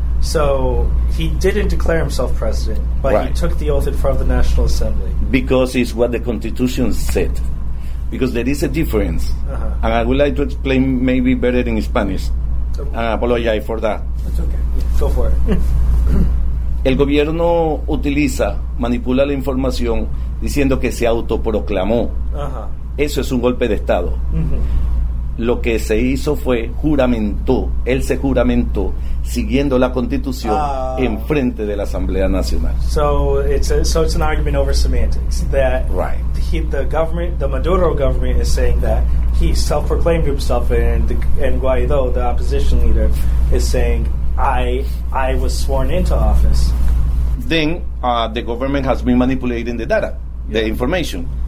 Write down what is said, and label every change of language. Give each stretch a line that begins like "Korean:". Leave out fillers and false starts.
English: So he didn't declare himself president, but right. he took the oath in front of the National Assembly. Because it's what the Constitution said. Because there is a difference. Uh-huh. And I would like to explain maybe better in Spanish. And I apologize for that. That's okay. Yeah, go for it.
Spanish: El gobierno utiliza, manipula la información diciendo que se autoproclamó. Uh-huh. Eso es un golpe de Estado. Uh-huh. Lo que se hizo fue juramentó, él se juramentó siguiendo la constitución en frente de la Asamblea Nacional.
English: So it's an argument over semantics that right. the Maduro government is saying that he self-proclaimed himself and Guaido, the opposition leader, is saying I was sworn into office. Then the government has been manipulating the data, the information.